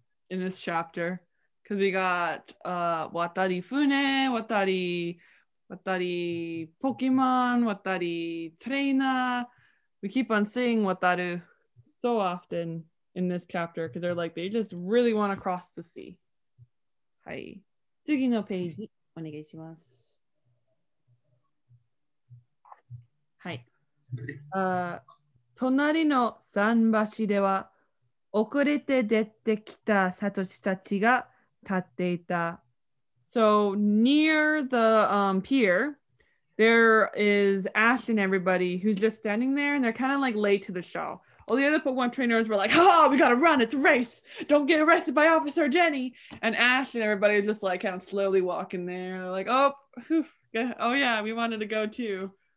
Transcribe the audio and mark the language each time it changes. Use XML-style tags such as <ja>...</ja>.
<en>In this chapter. Because we got Watari Fune, Watari Pokemon, Watari Trainer. We keep on seeing Wataru so often in this chapter because they're like, they just really want to cross the sea. Hi.</en> <ja>次のページ、お願いします。はい。隣の桟橋では、遅れて出てきたサトシたちが立っていた。</ja> <en>So, near the pier, there is Ash and everybody who's just standing there, and they're kind of like late to the show. All the other Pokemon trainers were like, oh, we gotta run, it's a race. Don't get arrested by Officer Jenny. And Ash and everybody are just like kind of slowly walking there. They're like, oh, oh yeah, we wanted to go too.</en>